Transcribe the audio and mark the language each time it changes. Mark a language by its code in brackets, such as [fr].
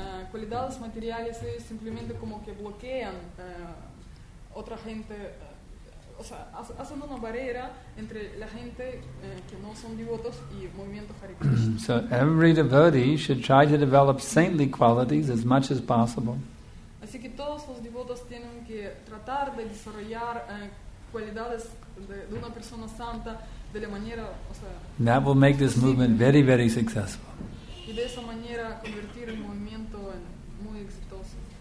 [es] Cualidades materiales ellos simplemente como que bloquean otra gente, o sea, hacen una barrera entre la gente que no son devotos y movimiento Hare Krishna. [en] So every devotee should try to develop saintly qualities as much as possible. [es] Así que todos los devotos tienen que tratar de desarrollar cualidades de una persona santa de la manera, o sea, [en] that will make this movement very, very successful. [es] Y de esa manera convertir el movimiento en muy exitoso.